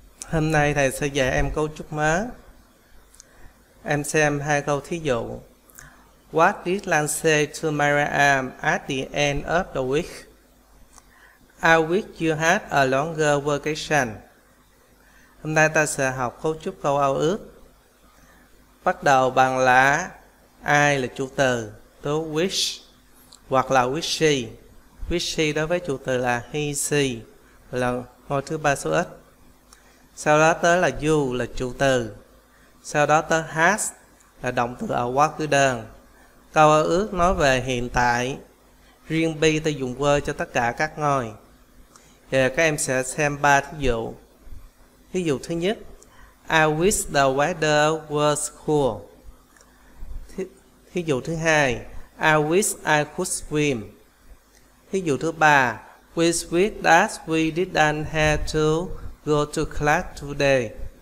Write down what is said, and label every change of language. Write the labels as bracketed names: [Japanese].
[Vietnamese] Hôm nay thầy sẽ dạy em câu chúc má. Em xem hai câu thí dụ. [English] What did Lan say to Mariam at the end of the week? I wish you had a longer vacation. [Vietnamese] Hôm nay ta sẽ học câu chúc câu ao ước. Bắt đầu bằng là I là chủ từ, to wish hoặc là wishy. Wishy đối với chủ từ là he, she, là ngôi thứ ba số ít. Sau đó tới là you là chủ từ. Sau đó tới has là động từ ở quá khứ đơn. Câu ao ước nói về hiện tại. Riêng be ta dùng were cho tất cả các ngôi. Giờ các em sẽ xem ba thí dụ. Thí dụ thứ nhất. [English] I wish the weather was cool. [Vietnamese] Thí dụ thứ hai. [English] I wish I could swim. [Vietnamese] Thí dụ thứ ba. [English] We wish that we didn't have to go to class today.